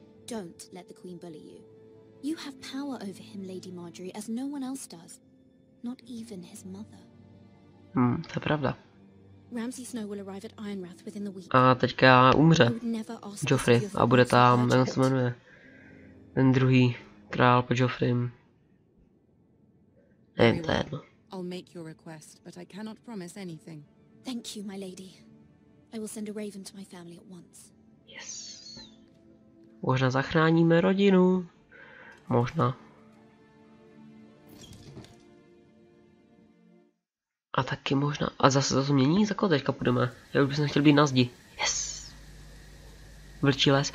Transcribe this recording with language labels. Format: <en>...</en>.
<en>Don't let the queen bully you. You have power over him, Lady Margaery, as no one else does. Not even his mother.</en> <cs>To je pravda.</cs> <en>Ramsay Snow will arrive at Ironwrath within the week.</en> <cs>A teďka umře. Joffrey a bude tam, jak se jmenuje. Ten druhý král po Joffreym. Nevím, to je jedno.</cs> <en>I'll make your request, but I cannot promise anything. Thank you, my lady. I will send a raven to my family at once. Yes.</en> <cs>Možná zachráníme rodinu. Možná. A taky možná. A zase to změní? Za koho teďka půjdeme? Já už bych chtěl být na zdi. Yes. Vlčí les.</cs>